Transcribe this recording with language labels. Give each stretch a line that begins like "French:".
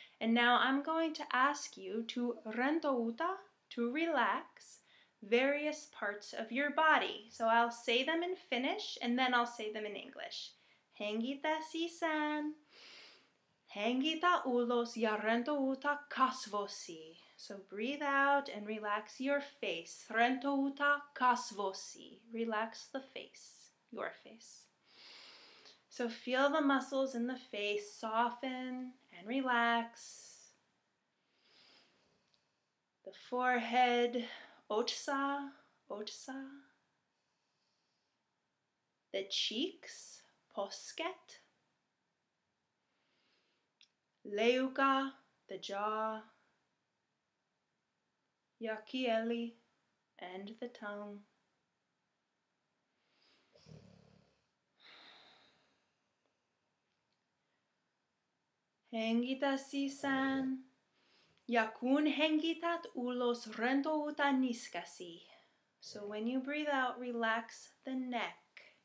English: And now I'm going to ask you to rentouta, to relax, various parts of your body. So I'll say them in Finnish and then I'll say them in English.
Finnish: Hengitä sisään. Hengitä ulos ja rentouta kasvosi.
English: So breathe out and relax your face.
Finnish: Rentouta kasvosi.
English: Relax the face, your face. So feel the muscles in the face soften and relax. The forehead,
Finnish: otsa, otsa.
English: The cheeks,
Finnish: posket. Leuka,
English: the jaw.
Finnish: Ja kieli,
English: and the tongue.
Finnish: Hengitä sisään, ja kun hengität ulos, rentouta niskasi.
English: So when you breathe out, relax the neck.